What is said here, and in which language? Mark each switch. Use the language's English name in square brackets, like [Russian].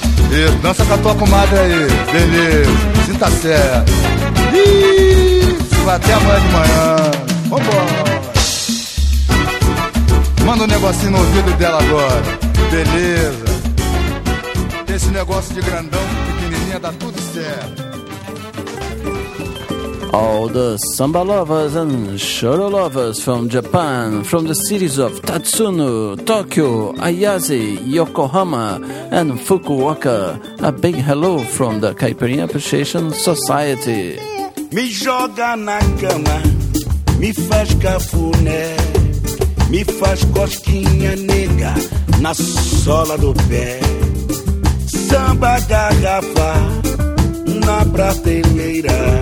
[Portuguese] E dança com a tua comadre aí, beleza. Sinta certo. Isso, vai até amanhã de manhã. Vambora. Manda um negocinho no ouvido dela agora. Beleza. Esse negócio de grandão, pequenininha, dá tudo certo. [English] All the samba lovers and shoro lovers from Japan, from the cities of Tatsuno, Tokyo, Ayase, Yokohama, and Fukuoka, a big hello from the Caipirinha Appreciation Society. [Portuguese] Me joga na cama, me faz cafuné, me faz cosquinha nega na sola do pé. Samba garrafa na prateleira.